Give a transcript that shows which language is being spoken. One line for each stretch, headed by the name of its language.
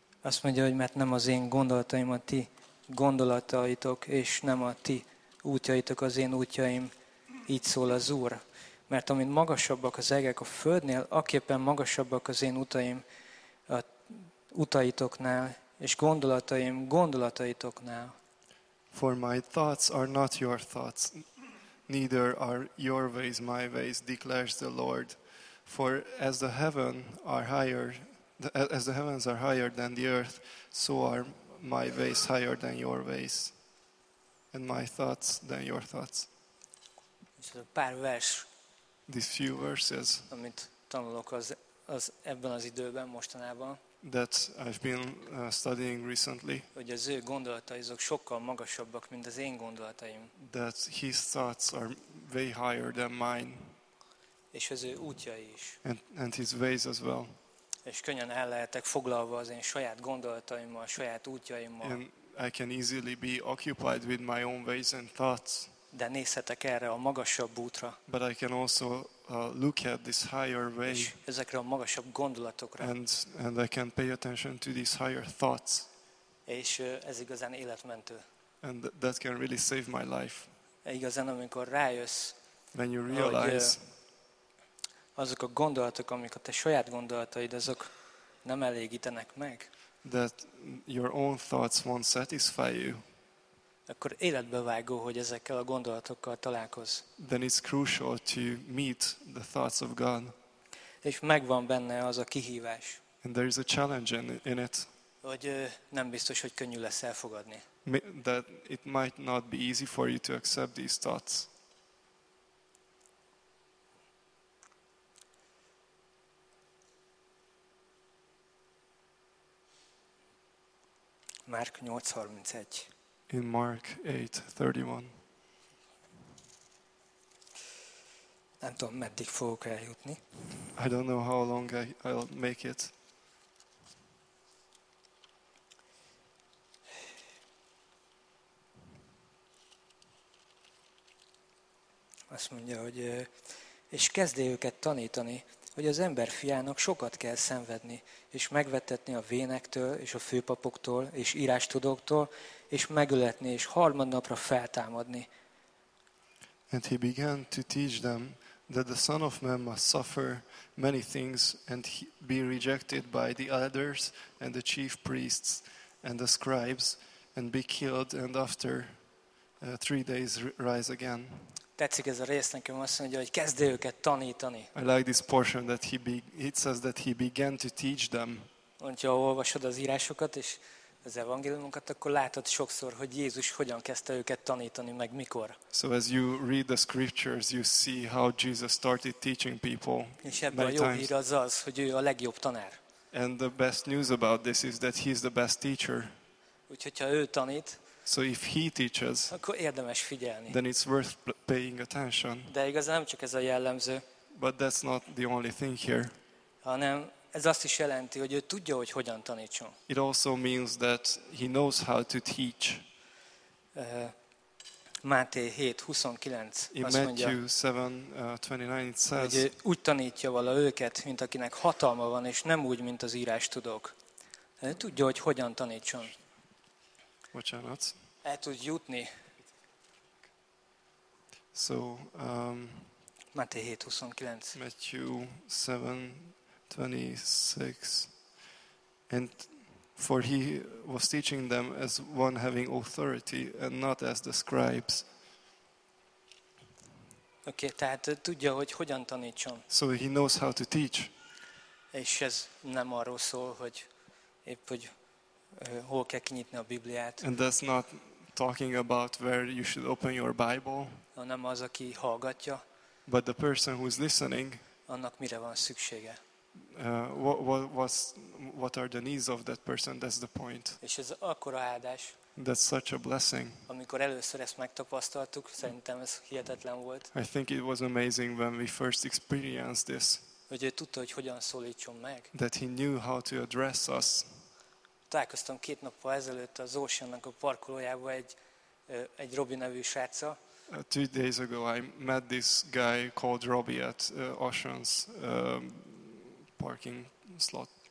Hungarian: Azt mondja, hogy mert nem az én gondolataim a ti gondolataitok, és nem a ti útjaitok az én útjaim, így szól az Úr. Mert amint magasabbak az egek a földnél, aképpen magasabbak az én utaim a utaitoknál, és gondolataim gondolataitoknál.
English: For my thoughts are not your thoughts, neither are your ways my ways, declares the Lord. For as the heaven are higher, as the heavens are higher than the earth, so are my ways higher than your ways, and my thoughts than your thoughts. These few verses,
Hungarian: amit tanulok az ebben az időben mostanában,
English: that I've been studying recently,
Hungarian: hogy az ő gondolatai azok sokkal magasabbak, mint az én gondolataim.
English: That his thoughts are way higher than mine.
Hungarian: És az ő útjai is.
English: And his ways as well.
Hungarian: És könnyen el lehetek foglalva az én saját gondolataimmal, saját útjaimmal.
English: And I can easily be occupied with my own ways and thoughts.
Hungarian: De nézhetek erre a magasabb útra.
English: But I can also look at this higher way.
Hungarian: És ezekre a magasabb gondolatokra.
English: And I can pay attention to these higher thoughts.
Hungarian: És ez igazán életmentő.
English: And that can really save my life.
Hungarian: Igazán, amikor rájössz,
English: when you realize,
Hungarian: azok a gondolatok, amik a te saját gondolataid, azok nem elégítenek meg.
English: That your own thoughts won't satisfy you.
Hungarian: Akkor életbevágó, hogy ezekkel a gondolatokkal találkoz.
English: Then it's crucial to meet the thoughts of God.
Hungarian: És megvan benne az a kihívás.
English: And there is a challenge in it.
Hungarian: Hogy nem biztos, hogy könnyű lesz elfogadni.
English: That it might not be easy for you to accept these thoughts.
Hungarian: Márk 8:31.
English: In Mark 8:31.
Hungarian: Nem tudom, meddig fogok eljutni.
English: I don't know how long I'll make it.
Hungarian: Azt mondja, hogy és kezdje őket tanítani, hogy az ember fiának sokat kell szenvedni, és megvetetni a vénektől, és a főpapoktól, és írástudóktól, és megöletni, és harmadnapra feltámadni.
English: And he began to teach them that the Son of Man must suffer many things and be rejected by the elders and the chief priests and the scribes and be killed and after 3 days rise again.
Hungarian: Tetszik ez a rész nekem, azt mondja, hogy kezdje őket tanítani.
English: I like this portion that it says that he began to teach them.
Hungarian: Ha olvasod az írásokat és az evangéliumokat, akkor látod sokszor, hogy Jézus hogyan kezdte őket tanítani, meg mikor.
English: So as you read the scriptures, you see how Jesus started teaching people.
Hungarian: És ebben a jó hír az az, hogy ő a legjobb tanár.
English: And the best news about this is that he is the best teacher.
Hungarian: Úgyhogy ha ő tanít,
English: so if he teaches,
Hungarian: akkor érdemes figyelni.
English: Then it's worth paying attention.
Hungarian: De igazán nem csak ez a jellemző.
English: But that's not the only thing here.
Hungarian: Hanem ez azt is jelenti, hogy ő tudja, hogy hogyan tanítson.
English: It also means that he knows how to teach.
Hungarian: Máté 7:29 azt mondja.
English: In Matthew 7:29 it says,
Hungarian: hogy úgy tanítja vala őket, mint akinek hatalma van, és nem úgy, mint az írás tudók. Ő tudja, hogy hogyan tanítson. Bocsánat. El tud jutni.
English: So,
Hungarian: Máté 7:29.
English: Matthew 7:26. And for he was teaching them as one having authority and not as the scribes.
Hungarian: Okay, tehát tudja, hogy hogyan tanítson.
English: So he knows how to teach.
Hungarian: És ez nem arról szól, hogy épp hogy hol kell kinyitni a Bibliát.
English: And that's not talking about where you should open your Bible.
Hungarian: Hanem az, aki hallgatja.
English: But the person who's listening.
Hungarian: Annak mire van szüksége.
English: What are the needs of that person? That's the point.
Hungarian: És ez akkora áldás.
English: That's such a blessing.
Hungarian: Amikor először ezt megtapasztaltuk, szerintem ez hihetetlen volt.
English: I think it was amazing when we first experienced this.
Hungarian: Hogy ő tudta, hogy hogyan szólítson meg.
English: That he knew how to address us.
Hungarian: Találkoztam két nappal ezelőtt az Oceannak a parkolójában egy Robbie nevű srácsal.
English: Two days ago I met this guy called Robbie at Ocean's parking slot.